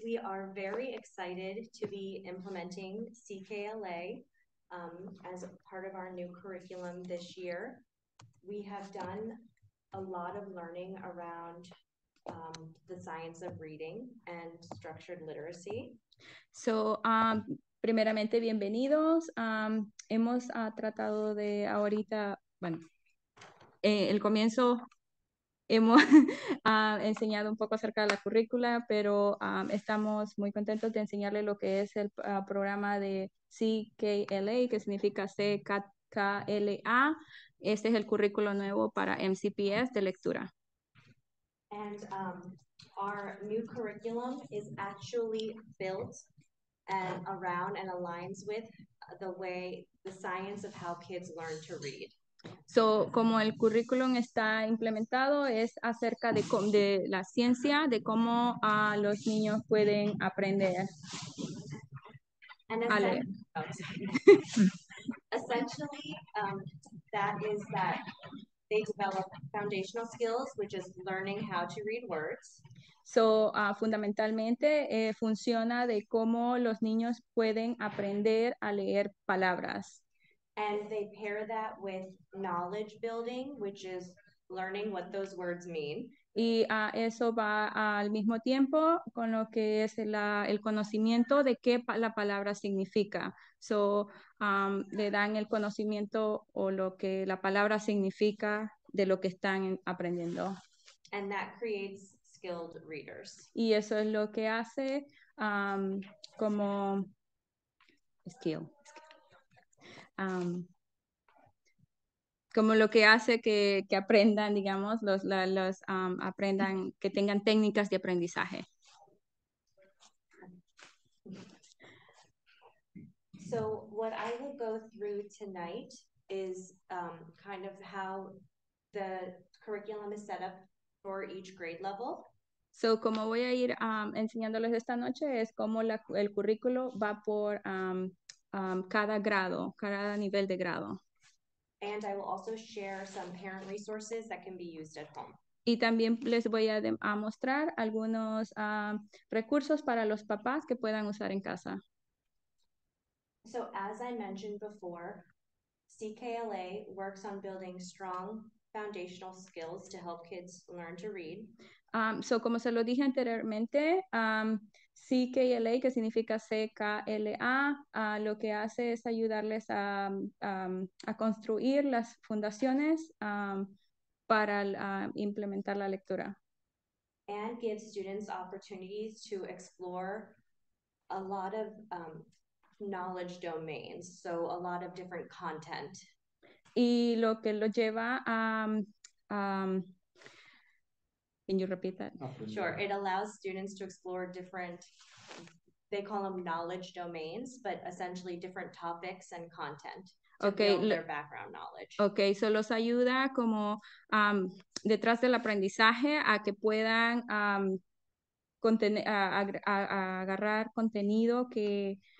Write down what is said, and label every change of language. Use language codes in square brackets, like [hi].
[en] We are very excited to be implementing CKLA as part of our new curriculum this year. We have done a lot of learning around the science of reading and structured literacy. [es] So, primeramente, bienvenidos. Hemos tratado de ahorita, bueno, el comienzo hemos enseñado un poco acerca de la currícula, pero estamos muy contentos de enseñarle lo que es el programa de CKLA, que significa CKLA. Este es el currículo nuevo para MCPS de lectura. [en] And our new curriculum is actually built and around and aligns with the way the science of how kids learn to read. [es] So, como el currículum está implementado, es acerca de la ciencia, de cómo los niños pueden aprender [en] And [es] a leer. [en] essentially, that is that. They develop foundational skills, which is learning how to read words. [es] So, fundamentalmente, funciona de cómo los niños pueden aprender a leer palabras. [en] And they pair that with knowledge building, which is learning what those words mean. [es] Y eso va al mismo tiempo con lo que es el conocimiento de qué pa la palabra significa. So, le dan el conocimiento o lo que la palabra significa de lo que están aprendiendo. [en] And that creates skilled readers. [es] Y eso es lo que hace como skill. Como lo que hace que aprendan, digamos, aprendan, que tengan técnicas de aprendizaje. [en] So what I will go through tonight is kind of how the curriculum is set up. for each grade level. [es] So, como voy a ir enseñándoles esta noche es como la, el currículo va por cada grado, cada nivel de grado. [en] And I will also share some parent resources that can be used at home. [es] Y también les voy a, a mostrar algunos recursos para los papás que puedan usar en casa. [en] So, as I mentioned before, CKLA works on building strong foundational skills to help kids learn to read. [es] So, como se lo dije anteriormente, CKLA, que significa CKLA, lo que hace es ayudarles a, a construir las fundaciones para implementar la lectura. [en] And give students opportunities to explore a lot of knowledge domains, so a lot of different content. [es] Y lo que lo lleva a... [en] Can you repeat that? Sure. It allows students to explore different, they call them knowledge domains, but essentially different topics and content to build their background knowledge. [es] Okay, so los ayuda como detrás del aprendizaje a que puedan agarrar contenido que...